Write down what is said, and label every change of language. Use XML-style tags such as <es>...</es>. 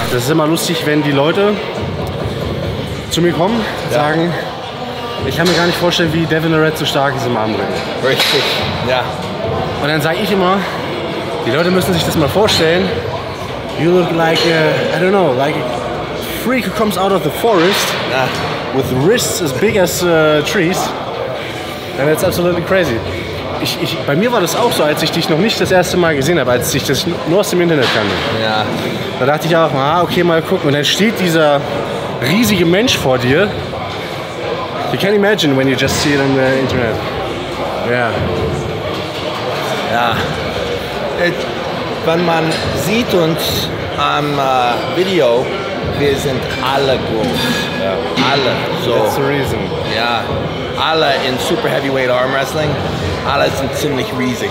<de>Das ist immer lustig, wenn die Leute zu mir kommen und sagen, ich kann mir gar nicht vorstellen, wie Devon Larratt so stark ist im Armbringen. Richtig, ja. Und dann sage ich immer, die Leute müssen sich das mal vorstellen.</de> <en>You look like a, I don't know, like a freak who comes out of the forest with wrists as big as trees. And that's absolutely crazy.</en> <de>Bei mir war das auch so, als ich dich noch nicht das erste Mal gesehen habe, als ich das nur aus dem Internet kannte. Ja. Da dachte ich auch, okay, mal gucken. Und dann steht dieser riesige Mensch vor dir.</de> <en>You can't imagine when you just see it on the internet. Yeah.</en> <de>Ja. Wenn man sieht uns am Video, wir sind alle groß.</de> <en>Yeah. Alle. So. That's the reason.</en> <de>Ja. Alle in Super Heavyweight Arm Wrestling, alle sind ziemlich riesig.</de>